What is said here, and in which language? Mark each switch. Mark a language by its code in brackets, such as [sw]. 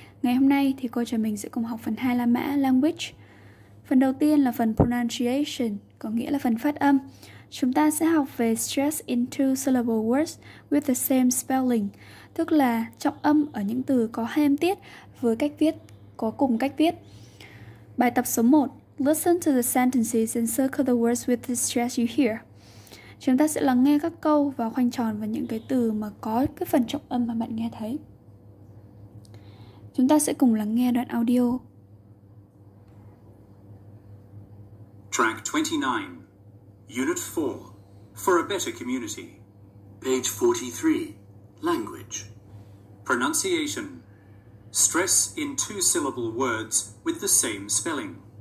[vi] Ngày hôm nay thì cô trò mình sẽ cùng học phần 2 La Mã Language. Phần đầu tiên là phần pronunciation, có nghĩa là phần phát âm. Chúng ta sẽ học về stress in two syllable words with the same spelling, tức là trọng âm ở những từ có hai âm tiết với cách viết có cùng cách viết. Bài tập số 1. [en] Listen to the sentences and circle the words with the stress you hear. [vi] Chúng ta sẽ lắng nghe các câu và khoanh tròn vào những cái từ mà có cái phần trọng âm mà bạn nghe thấy. Chúng ta sẽ cùng lắng nghe đoạn audio. [en] Track 29, Unit 4, For a Better Community, Page 43, Language, Pronunciation, Stress in two syllable words with the same spelling.